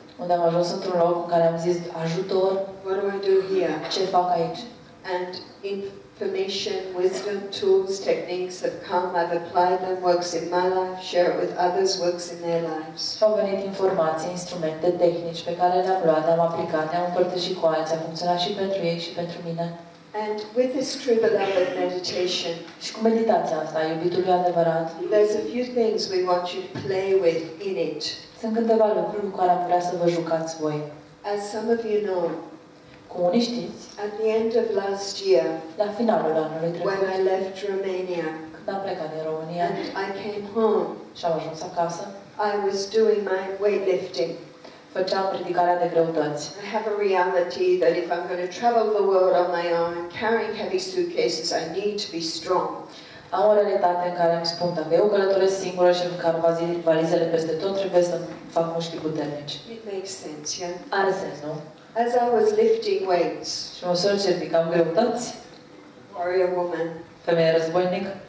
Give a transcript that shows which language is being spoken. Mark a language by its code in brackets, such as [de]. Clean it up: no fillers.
[ro] Unde am ajuns într-un loc în care am zis ajutor. [en] What do I do here? [ro] Ce fac aici? [en] And information, wisdom, tools, techniques have come. I've applied them, works in my life, share it with others, works in their lives. [ro] Au venit informații, instrumente, tehnici pe care le-am luat, le-am aplicat, le-am împărtășit cu alții, a funcționat și pentru ei și pentru mine. [en] And with this true beloved meditation, [ro] și cu meditația asta, iubitului adevărat, [en] there's a few things we want you to play with in it. [ro] Sunt câteva lucruri cu care am vrea să vă jucați voi. [en] As some of you know, [ro] cum unii știți, [en] at the end of last year, [ro] la finalul anului trecut, [en] when I left Romania, [ro] când am plecat din România, [en] and I came home, [ro] și am ajuns acasă, [en] I was doing my weightlifting. [ro] Făceam ridicarea de greutăți. [en] I have a reality that if I'm going to travel the world on my own carrying heavy suitcases, I need to be strong. [ro] Am o realitate în care îmi spun, dacă eu călătoresc singură și îmi carc valizele peste tot, trebuie să fac mușchi puternici. [en] It makes sense, yeah? [ro] Are sens, nu? [en] As I was lifting weights, [ro] și măsor ce ridicam greutăți, [en] warrior woman, [ro] femeie războinic,